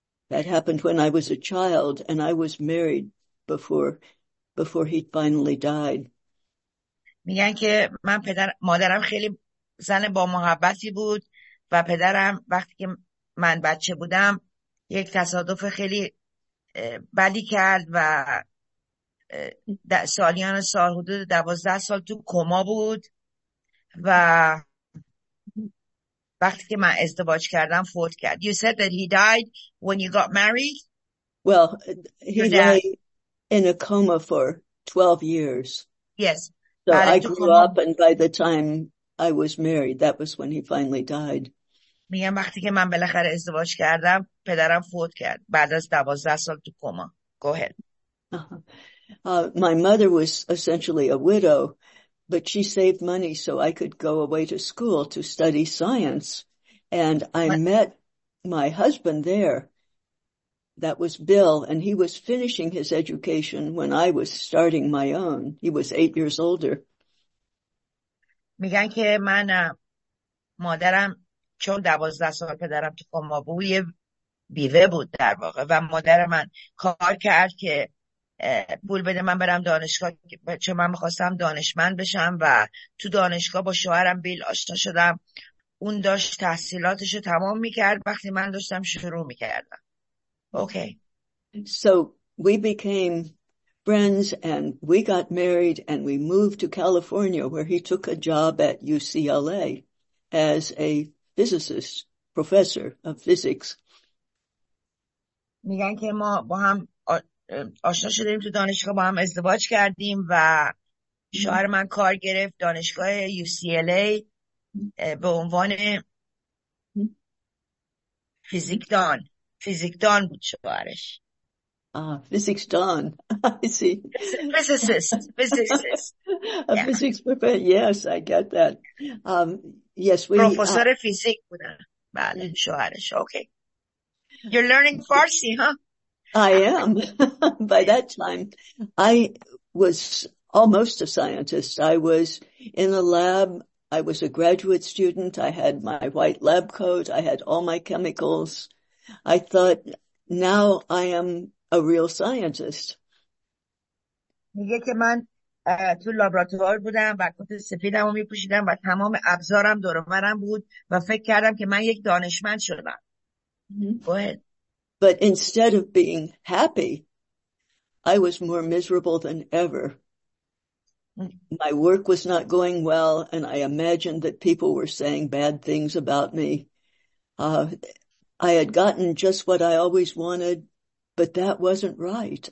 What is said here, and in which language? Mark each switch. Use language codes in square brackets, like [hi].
[en] That happened when I was a child and I was married before he finally died. [fa] میگن که من پدر مادرم خیلی زن با محبتی بود و پدرم وقتی که من بچه بودم یک تصادف خیلی بدی کرد و سالیان سال حدود 12 سال تو کما بود و وقتی که من ازدواج کردم فوت کرد. [en] You said that he died when you got married? Well, he lay in a coma for 12 years. Yes. So I grew up and by the time I was married, that was when he finally died. [fa] میگم وقتی که من بالاخره ازدواج کردم پدرم فوت کرد بعد از 12 سال تو کما. [en] Go ahead. My mother was essentially a widow, but she saved money so I could go away to school to study science. And I met my husband there, that was Bill, and he was finishing his education when I was starting my own. He was 8 years older. [fa] میگن که من مادرم چون 12 سال پدرم تو کما بود یه بیوه بود در واقع و مادر من کار کرد که پول بده من برم دانشگاه چون من میخواستم دانشمند بشم و تو دانشگاه با شوهرم بیل آشنا شدم اون داشت تحصیلاتش رو تمام میکرد وقتی من داشتم شروع میکردم اوکی okay. [en] So we became friends and we got married and we moved to California where he took a job at UCLA as a physicist, professor of physics. [fa] میگن که ما با هم آشنا شدیم تو دانشگاه با هم ازدواج کردیم و شوهر من کار گرفت دانشگاه UCLA به عنوان فیزیکدان بود شوهرش [en] Physics Don, I see. [fa] فیزیسیست [en] A physics professor, yes, I get that. Yes, we... [fa] پروفسور فیزیک بودن. بله, شوهرش, okay. [en] You're learning Farsi, huh? I am. By that time, I was almost a scientist. I was in a lab. I was a graduate student. I had my white lab coat. I had all my chemicals. I thought, now I am a real scientist. [fa] میگه که من تو لابراتوار بودم و کت سفیدم رو میپوشیدم و تمام ابزارم دور و برم بود و فکر کردم که من یک دانشمند شدم. [en] But instead of being happy, I was more miserable than ever. My work was not going well, and I imagined that people were saying bad things about me. I had gotten just what I always wanted, but that wasn't right.